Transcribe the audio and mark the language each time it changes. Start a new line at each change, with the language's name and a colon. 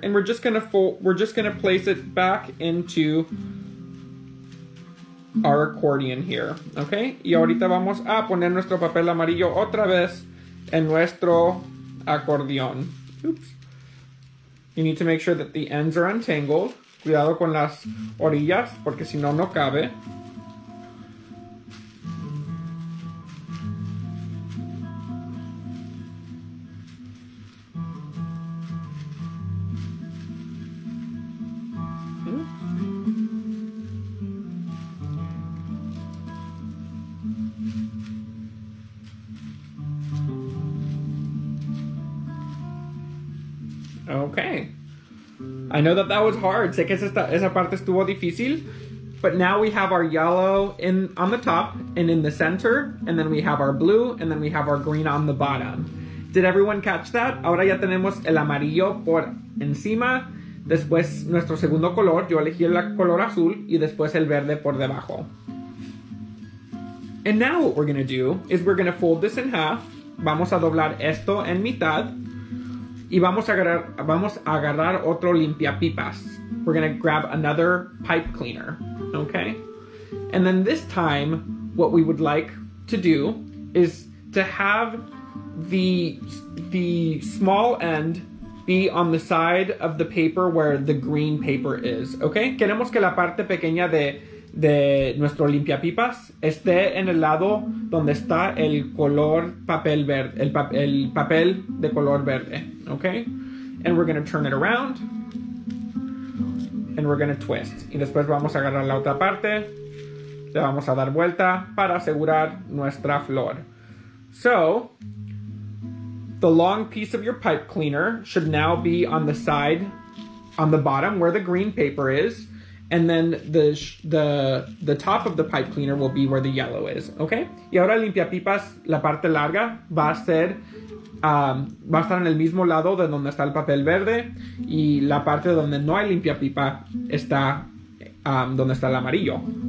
English: And we're just gonna place it back into our accordion here. Okay.
Spanish: Y ahorita vamos a poner nuestro papel amarillo otra vez en nuestro acordeón. Oops.
English: You need to make sure that the ends are untangled.
Spanish: Cuidado con las orillas, porque si no, no cabe.
English: Okay. I know that was hard.
Spanish: Sé que esa parte estuvo difícil.
English: But now we have our yellow in on the top and in the center. And then we have our blue and then we have our green on the bottom. Did everyone catch that?
Spanish: Ahora ya tenemos el amarillo por encima. Después nuestro segundo color. Yo elegí el color azul y después el verde por debajo.
English: And now what we're going to do is we're going to fold this in half.
Spanish: Vamos a doblar esto en mitad. Y vamos a agarrar otro limpiapipas.
English: We're going to grab another pipe cleaner. Okay? And then this time, what we would like to do is to have the small end be on the side of the paper where the green paper is. Okay?
Spanish: Queremos que la parte pequeña de nuestro limpiapipas esté en el lado donde está el color papel verde, el papel de color verde. Okay?
English: And we're going to turn it around. And we're going to twist.
Spanish: Y después vamos a agarrar la otra parte. Le vamos a dar vuelta para asegurar nuestra flor.
English: So, the long piece of your pipe cleaner should now be on the side, on the bottom where the green paper is. And then the top of the pipe cleaner will be where the yellow is, okay?
Spanish: Y ahora limpia pipas, la parte larga va a ser, va a estar en el mismo lado de donde está el papel verde. Y la parte donde no hay limpia pipa está donde está el amarillo.